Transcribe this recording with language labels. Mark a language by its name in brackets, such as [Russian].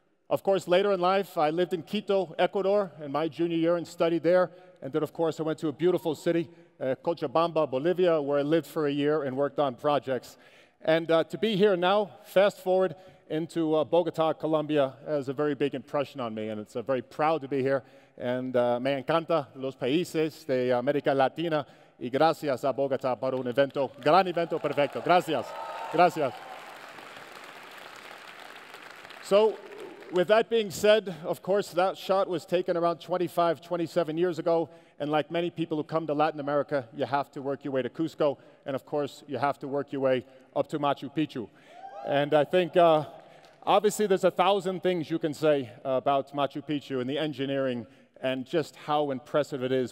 [English] Of course, later in life, I lived in Quito, Ecuador, in my junior year and studied there. And then, of course, I went to a beautiful city, Cochabamba, Bolivia, where I lived for a year and worked on projects. And to be here now, fast forward into Bogotá, Colombia, has a very big impression on me, and it's very proud to be here. [Spanish] And me encanta los países de América Latina, y gracias a Bogotá para un evento, gran evento, perfecto. Gracias, gracias. [English] So, with that being said, of course, that shot was taken around 25, 27 years ago, and like many people who come to Latin America, you have to work your way to Cusco, and of course, you have to work your way up to Machu Picchu. And I think, obviously, there's a thousand things you can say about Machu Picchu and the engineering and just how impressive it is.